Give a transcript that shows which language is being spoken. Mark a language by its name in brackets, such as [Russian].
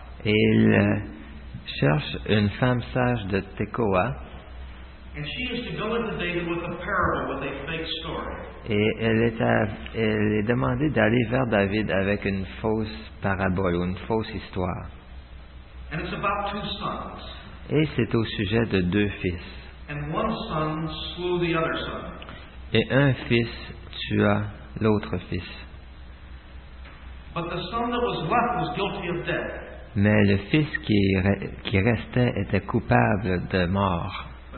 [French] Et il cherche une femme sage de Tekoa. [English] And she is to go into David with a parable, with a fake story. [French] Et elle est demandée d'aller vers David avec une fausse parabole ou une fausse histoire. [English] And it's about two sons. [French] Et c'est au sujet de deux fils. [English] And one son slew the other son. [French] Et un fils tua l'autre fils. [English] But the son that was left was guilty of death. [French] Mais le fils qui restait était coupable de mort.